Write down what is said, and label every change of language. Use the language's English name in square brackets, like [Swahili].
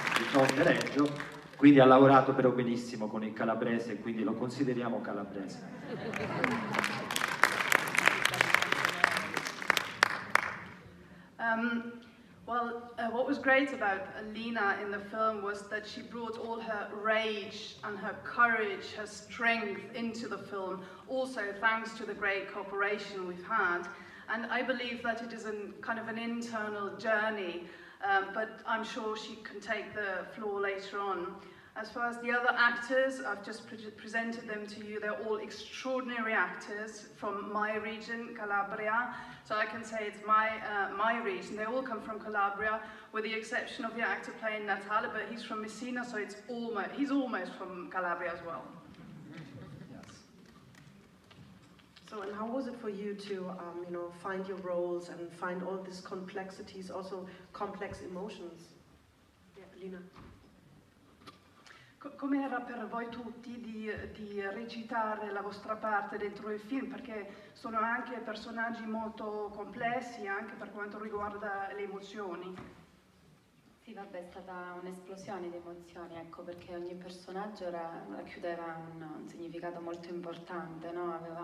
[Italian] Di Ponte Reggio, quindi ha lavorato però benissimo con il calabrese, quindi lo consideriamo calabrese. [English] Well, what was great about Lina in the film was that she brought all her rage and her courage, her strength into the film, also thanks to the great cooperation we've had. And I believe that it is a kind of an internal journey, but I'm sure she can take the floor later on. As far as the other actors, I've just presented them to you. They're all extraordinary actors from my region, Calabria. So I can say it's my region. They all come from Calabria, with the exception of the actor playing Natale, but he's from Messina, so he's almost from Calabria as well. Yes. So, and how was it for you to, find your roles and find all these complexities, also complex emotions? Yeah, Lina. [Italian] Come era per voi tutti di recitare la vostra parte dentro il film? Perché sono anche personaggi molto complessi anche per quanto riguarda le emozioni. Sì, vabbè, è stata un'esplosione di emozioni, ecco, perché ogni personaggio racchiudeva un significato molto importante, no?